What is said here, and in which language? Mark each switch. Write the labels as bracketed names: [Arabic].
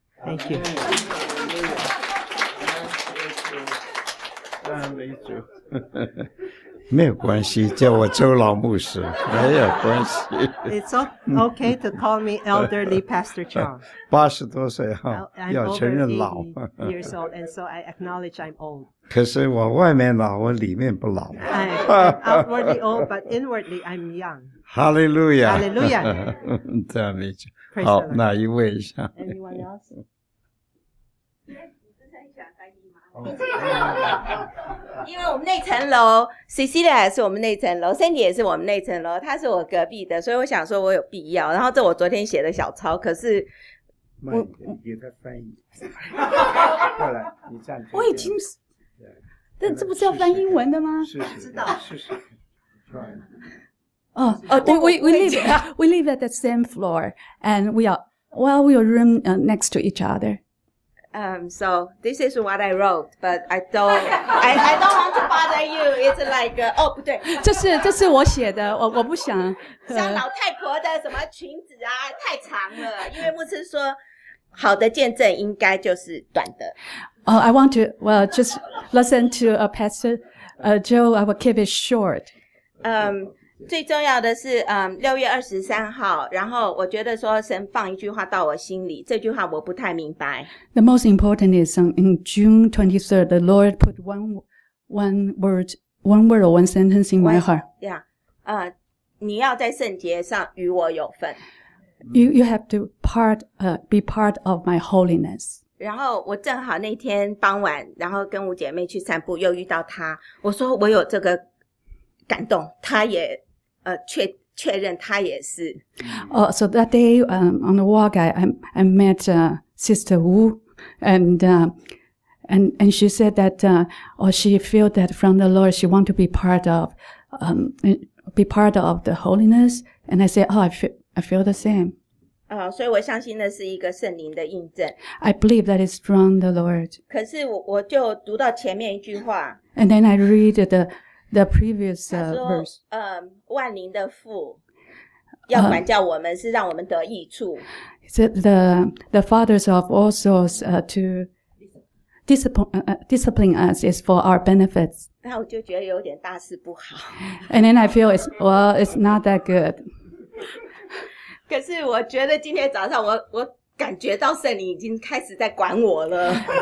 [English] Thank you. [Chinese] 没有关系，叫我周老牧师没有关系。 [English] It's okay to call me elderly Pastor John. [Chinese] 八十多岁哈，要承认老。 [English] I'm over 80 years old, and so I acknowledge I'm old. [Chinese] 可是我外面老，我里面不老。 [English] I'm outwardly old, but inwardly I'm young. Hallelujah. Hallelujah. [Chinese] 赞美主。好，那一位一下。 [English] Anyone else? [Chinese] 因为我们那层楼 Cecilia 是我们那层楼 Sandy 也是我们那层楼，她是我隔壁的，所以我想说我有必要，然后这我昨天写的小抄，可是我给他翻译过来，你站我已经，但这不是要翻英文的吗？试试知道试试try [English] 对 we live at the same floor and we are room next to each other So this is what I wrote, but I don't want to bother you. It's like, [Chinese] 不对，这是我写的，我不想。像老太婆的什么裙子啊，太长了。因为牧师说，好的见证应该就是短的。 [English] I want to just listen to a pastor, Joe. I will keep it short. [Chinese] 最重要的是，6月23号，然后我觉得说神放一句话到我心里，这句话我不太明白。 [English] The most important is in June 23rd, the Lord put one word or one sentence in my heart. Yeah. [Chinese] 你要在圣洁上与我有份。 [English] You have to be part of my holiness. [Chinese] 然后我正好那天傍晚，然后跟五姐妹去散步，又遇到她，我说我有这个感动，她也确认他也是。 [English] So that day, on the walk, I met, Sister Wu, and she said that, she felt that from the Lord, she want to be part of the holiness. And I said, I feel the same. [Chinese] 所以我相信那是一个圣灵的印证。 [English] I believe that is from the Lord. [Chinese] 可是我就读到前面一句话。 [English] And then I read the previous verse. [Chinese] 万灵的父要管教我们是让我们得益处。 [English] The fathers of all souls, to discipline us is for our benefits. [Chinese] 那我就觉得有点大事不好。 [English] And then I feel it's not that good. [Chinese] 可是我觉得今天早上我感觉到圣灵已经开始在管我了。